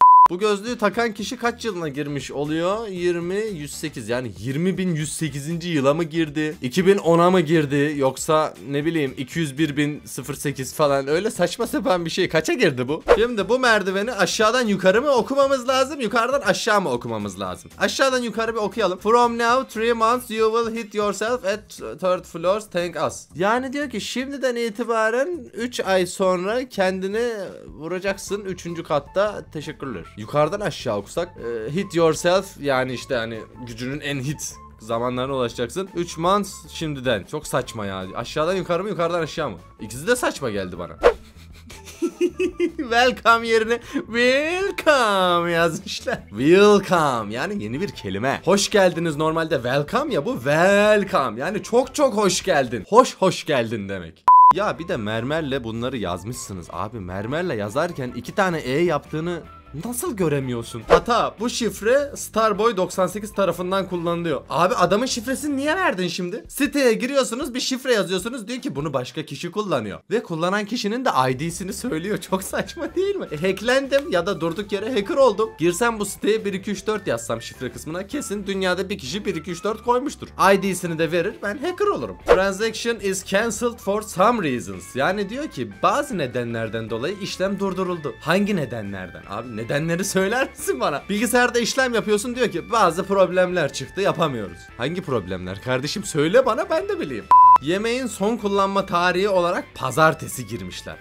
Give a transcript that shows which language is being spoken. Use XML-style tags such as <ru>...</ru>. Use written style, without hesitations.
<tr>Bu gözlüğü takan kişi kaç yılına girmiş oluyor? 20108 yani 20108. yıla mı girdi? 2010'a mı girdi? Yoksa ne bileyim 201.008 falan öyle saçma sapan bir şey. Kaça girdi bu? Şimdi bu merdiveni aşağıdan yukarı mı okumamız lazım? Yukarıdan aşağı mı okumamız lazım? Aşağıdan yukarı bir okuyalım.</tr> <en>From now 3 months you will hit yourself at third floor. Thank us.</en> <tr>Yani diyor ki şimdiden itibaren 3 ay sonra kendini vuracaksın 3. katta. Teşekkürler. Yukarıdan aşağı okusak</tr> <en>hit yourself</en> <tr>yani işte hani gücünün en hit zamanlarına ulaşacaksın.</tr> <en>3 months</en> <tr>şimdiden. Çok saçma ya. Aşağıdan yukarı mı yukarıdan aşağı mı? İkisi de saçma geldi bana. Welcome yerine welcome yazmışlar. Welcome yani yeni bir kelime. Hoş geldiniz normalde welcome ya, bu welcome. Yani çok çok hoş geldin. Hoş hoş geldin demek. Ya bir de mermerle bunları yazmışsınız. Abi mermerle yazarken 2 tane E yaptığını nasıl göremiyorsun? Hata, bu şifre Starboy 98 tarafından kullanılıyor. Abi adamın şifresini niye verdin şimdi? Siteye giriyorsunuz, bir şifre yazıyorsunuz. Diyor ki bunu başka kişi kullanıyor. Ve kullanan kişinin de ID'sini söylüyor. Çok saçma değil mi? Hacklendim ya da durduk yere hacker oldum. Girsem bu siteye 1-2-3-4 yazsam şifre kısmına, kesin dünyada bir kişi 1-2-3-4 koymuştur. ID'sini de verir, ben hacker olurum.</tr> <en>Transaction is cancelled for some reasons.</en> <tr>Yani diyor ki bazı nedenlerden dolayı işlem durduruldu. Hangi nedenlerden? Abi nedenleri söyler misin bana? Bilgisayarda işlem yapıyorsun, diyor ki bazı problemler çıktı, yapamıyoruz. Hangi problemler kardeşim, söyle bana, ben de bileyim. Yemeğin son kullanma tarihi olarak pazartesi girmişler.</tr>